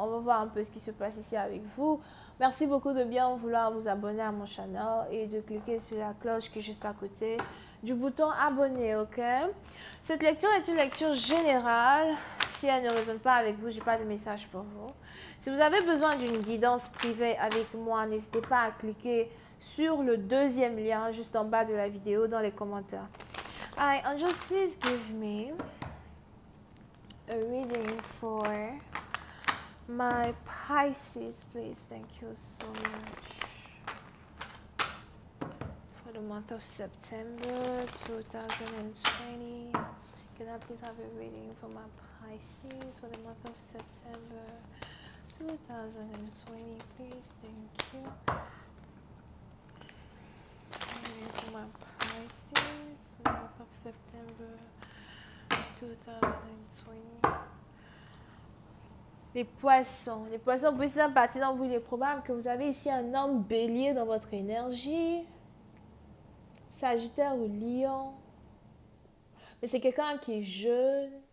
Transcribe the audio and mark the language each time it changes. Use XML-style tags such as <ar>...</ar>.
<fr>On va voir un peu ce qui se passe ici avec vous. Merci beaucoup de bien vouloir vous abonner à mon channel et de cliquer sur la cloche qui est juste à côté du bouton abonner, ok? Cette lecture est une lecture générale. Si elle ne résonne pas avec vous, je n'ai pas de message pour vous. Si vous avez besoin d'une guidance privée avec moi, n'hésitez pas à cliquer sur le deuxième lien juste en bas de la vidéo dans les commentaires.</fr> <en>Hi, angels, please give me a reading for my Pisces, please. Thank you so much. For the month of September 2020. Can I please have a reading for my Pisces for the month of September 2020, please? Thank you. Reading for my Pisces for the month of September 2020.</en> <fr>Les poissons, pour une partie d'entre vous, il est probable que vous avez ici un homme bélier dans votre énergie, sagittaire ou lion. Mais c'est quelqu'un qui est jeune.</fr>